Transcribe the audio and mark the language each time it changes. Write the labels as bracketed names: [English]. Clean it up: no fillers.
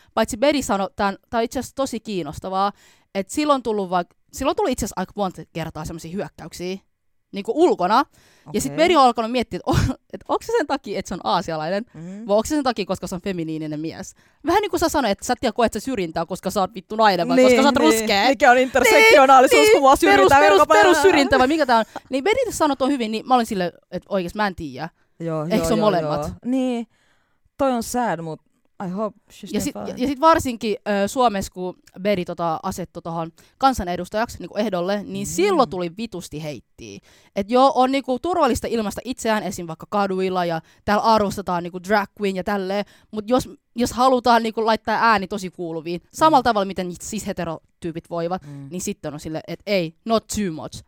[Finnish] Paitsi Betty sanoi, tämä on itse asiassa tosi kiinnostavaa, että silloin tuli itse asiassa aika monta kertaa semmosia hyökkäyksiä, niin kuin ulkona, ja sitten Betty on alkanut miettiä, että onko se sen takia, että se on aasialainen, vai onko se sen takia, koska se on feminiininen mies. Vähän niin kuin sä sanoit, että sä et tiedä, koet sä syrjintää, koska sä oot vittu nainen, vai koska sä oot ruskea. Mikä on intersektionaalisuus, kun mua syrjintää. Perus syrjintää, vai mikä tää on. Niin Betty sanoi tuon hyvin, niin mä olin silleen, että oikeesti mä en tiedä. Eikö se ole molemmat? Joo. Niin, toi on sad, mut [English] I hope she's [Finnish] ja [English] doing fine. [Finnish] Ja sit varsinkin Suomessa, kun Betty asettui tuohon kansanedustajaksi niinku ehdolle, niin silloin tuli vitusti heittiä. Että joo, on niinku turvallista ilmaista itseään esim. Vaikka kaduilla ja täällä arvostetaan niinku drag queen ja tälleen, mutta jos halutaan niinku laittaa ääni tosi kuuluviin, samalla tavalla miten cis-heterotyypit voivat, niin sitten on silleen, että ei, [English] not too much.